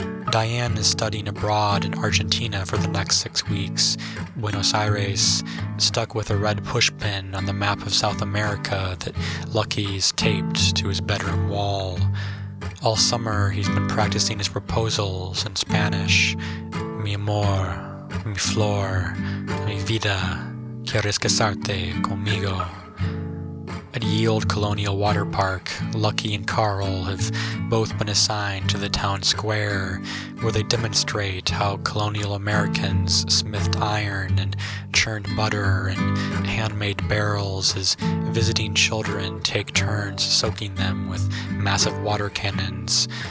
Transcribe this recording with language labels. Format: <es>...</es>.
<en>Diane is studying abroad in Argentina for the next 6 weeks. Buenos Aires, stuck with a red pushpin on the map of South America that Lucky's taped to his bedroom wall. All summer, he's been practicing his proposals in Spanish.</en> <es>Mi amor, mi flor, mi vida, ¿quieres casarte conmigo?</es> <en>At Ye Old Colonial Water Park, Lucky and Carl have both been assigned to the town square, where they demonstrate how colonial Americans smithed iron and churned butter in handmade barrels as visiting children take turns soaking them with massive water cannons.</en>